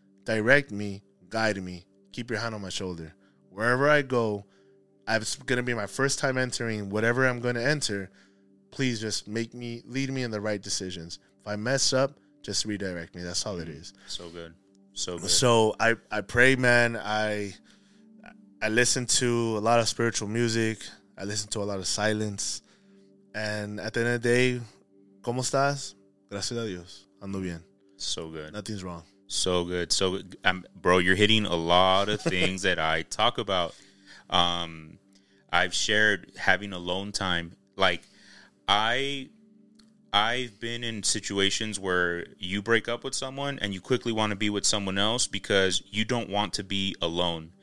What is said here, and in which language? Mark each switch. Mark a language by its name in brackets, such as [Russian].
[English] Direct me, guide me, keep your hand on my shoulder. Wherever I go, it's going to be my first time entering whatever I'm going to enter. Please just lead me in the right decisions. If I mess up, just redirect me. That's all it is. So good. So good. So I pray, man. I listen to a lot of spiritual music. I listen to a lot of silence. And at the end of the day, [Spanish] ¿cómo estás? Gracias a Dios. Ando bien. [English] So good. Nothing's wrong. So good. So good. Bro, you're hitting a lot of things that I talk about. I've shared having alone time. Like, I've been in situations where you break up with someone and you quickly want to be with someone else because you don't want to be alone.